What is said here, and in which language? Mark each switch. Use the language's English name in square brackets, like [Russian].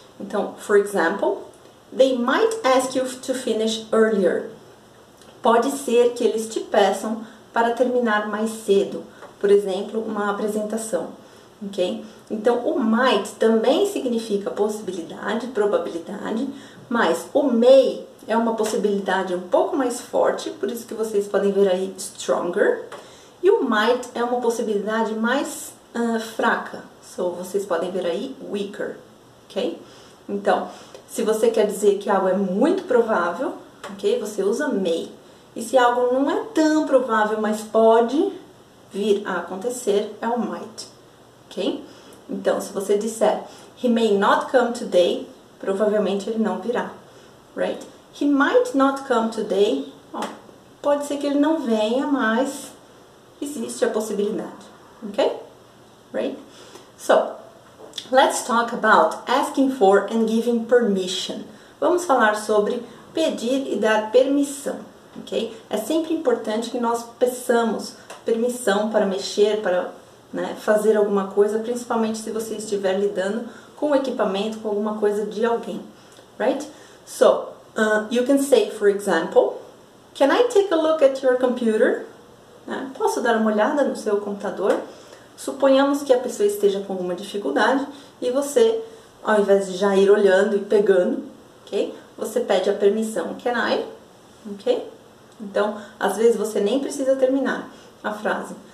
[English] Então, for example, they might ask you to finish earlier. [Portuguese] pode ser que eles te peçam para terminar mais cedo, por exemplo, uma apresentação, ok? Então, o might também significa possibilidade, probabilidade, mas o may é uma possibilidade um pouco mais forte, por isso que vocês podem ver aí stronger, e o might é uma possibilidade mais fraca, so vocês podem ver aí weaker, ok? Então, se você quer dizer que algo é muito provável, ok, você usa may. E se algo não é tão provável, mas pode vir a acontecer, é o might, ok? Então, se você disser, [English] he may not come today, [Portuguese] provavelmente ele não virá, right? [English] He might not come today, [Portuguese] ó, pode ser que ele não venha, mas existe a possibilidade, ok? Right? [English] So, let's talk about asking for and giving permission. [Portuguese] Vamos falar sobre pedir e dar permissão, ok? É sempre importante que nós peçamos permissão para mexer, para, né, fazer alguma coisa, principalmente se você estiver lidando com equipamento, com alguma coisa de alguém, right? [English] So, you can say, for example, can I take a look at your computer? [Portuguese] Né? Posso dar uma olhada no seu computador? Suponhamos que a pessoa esteja com alguma dificuldade e você, ao invés de já ir olhando e pegando, ok? Você pede a permissão, can I? Ok? Então, às vezes você nem precisa terminar a frase.